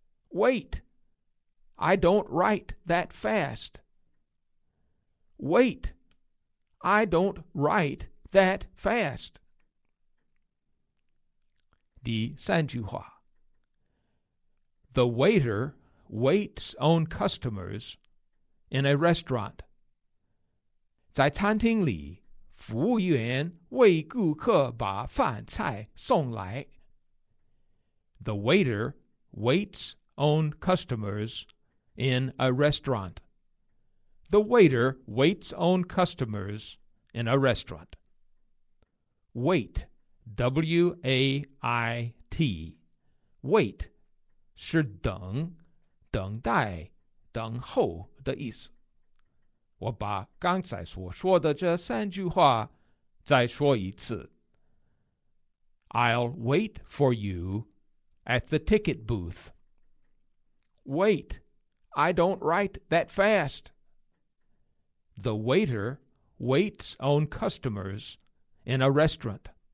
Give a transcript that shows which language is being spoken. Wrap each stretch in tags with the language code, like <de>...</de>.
<en>Wait，I don't write that fast. Wait. I don't write that fast.</en> <zh>第三句话。</zh> <en>The waiter waits on customers in a restaurant.</en> <zh>在餐厅里，服务员为顾客把饭菜送来。</zh> <en>The waiter waits on customers in a restaurant. The waiter waits on customers in a restaurant. Wait, W-A-I-T.</en> <zh>Wait, 是等、等待、等候的意思。我把刚才所说的这三句话再说一次。</zh> <en>I'll wait for you at the ticket booth. Wait, I don't write that fast. The waiter waits on customers in a restaurant.</en>